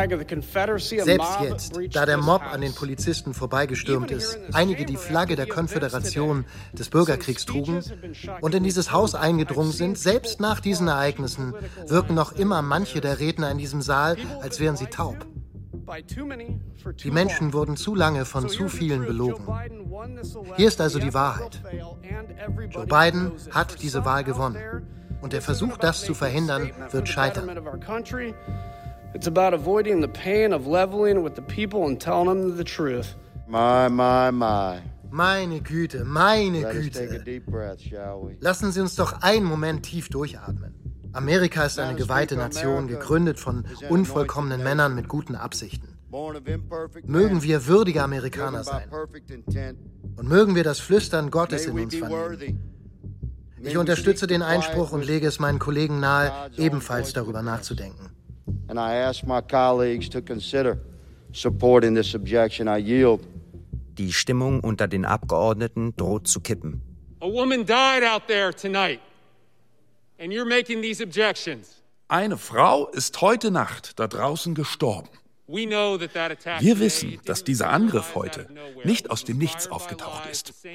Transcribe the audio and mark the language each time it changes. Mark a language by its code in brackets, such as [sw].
[de] Selbst jetzt, da der Mob an den Polizisten vorbeigestürmt ist, einige die Flagge der Konföderation des Bürgerkriegs trugen und in dieses Haus eingedrungen sind, selbst nach diesen Ereignissen wirken noch immer manche der Redner in diesem Saal, als wären sie taub. Die Menschen wurden zu lange von zu vielen belogen. Hier ist also die Wahrheit. Joe Biden hat diese Wahl gewonnen. Und der Versuch, das zu verhindern, wird scheitern. [en] It's about avoiding the pain of leveling with the people and telling them the truth. My, my, my. [de] Meine Güte, meine Güte. Lassen Sie uns doch einen Moment tief durchatmen. Amerika ist eine geweihte Nation, gegründet von unvollkommenen Männern mit guten Absichten. Mögen wir würdige Amerikaner sein. Und mögen wir das Flüstern Gottes in uns vernehmen. Ich unterstütze den Einspruch und lege es meinen Kollegen nahe, ebenfalls darüber nachzudenken. [en] And I ask my colleagues to consider supporting this objection. I yield. [de] Die Stimmung unter den Abgeordneten droht zu kippen. [en] A woman died out there tonight. And you're making these objections. [de] Eine Frau ist heute Nacht da draußen gestorben. Wir wissen, dass dieser Angriff heute nicht aus dem Nichts aufgetaucht ist.